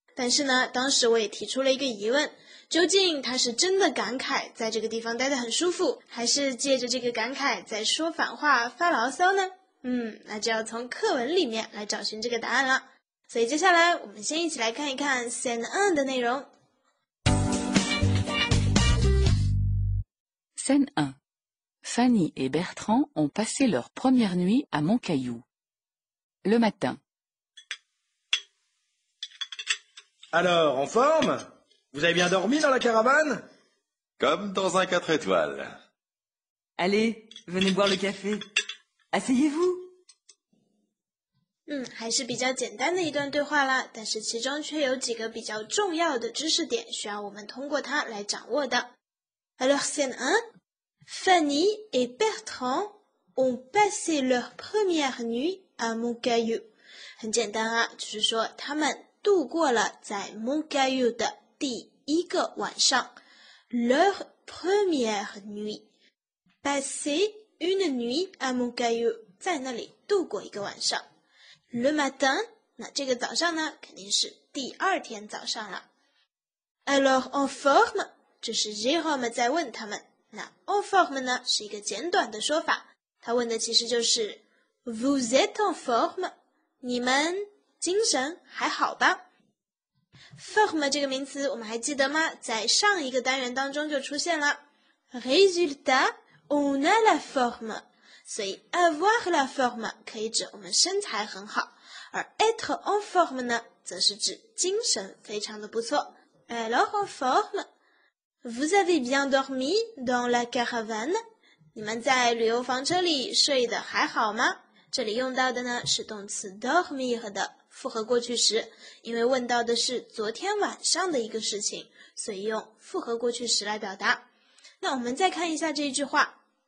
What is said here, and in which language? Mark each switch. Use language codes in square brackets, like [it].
[zh] 但是呢，当时我也提出了一个疑问，究竟他是真的感慨在这个地方待得很舒服，还是借着这个感慨在说反话发牢骚呢？那就要从课文里面来找寻这个答案了。所以接下来我们先一起来看一看 Scène 1的内容。 [fr] Scène 1， Fanny et Bertrand ont passé leur première nuit à Montcaillou. Le matin. Alors, en forme ? Vous avez bien dormi dans la caravane ? Comme dans un 4 étoiles. Allez, venez boire le café. Asseyez-vous. [zh] 还是比较简单的一段对话啦，但是其中却有几个比较重要的知识点需要我们通过它来掌握的。 [fr] Alors, scène 1, Fanny et Bertrand ont passé leur première nuit à Montcaillou. [zh] 很简单啊，就是说他们度过了在 Montcaillou 的第一个晚上。 [fr] Leur première nuit. Passer une nuit à Montcaillou. [zh] 在那里度过一个晚上。 [fr] Le matin, [zh] 那这个早上呢，肯定是第二天早上了。 [fr] Alors, en forme, [zh] 这是 Jérôme 在问他们。那 en forme 呢，是一个简短的说法。他问的其实就是 [fr] Vous êtes en forme? [zh] 你们精神还好吧？ Forme 这个名词我们还记得吗？在上一个单元当中就出现了。 [fr] Résultat, on a la forme. [zh] 所以 avoir la forme 可以指我们身材很好，而 être en forme 呢，则是指精神非常的不错。 [fr] Alors en forme, vous avez bien dormi dans la caravane? [zh] 你们在旅游房车里睡得还好吗？这里用到的呢是动词 dormir 的复合过去时，因为问到的是昨天晚上的一个事情，所以用复合过去时来表达。那我们再看一下这一句话。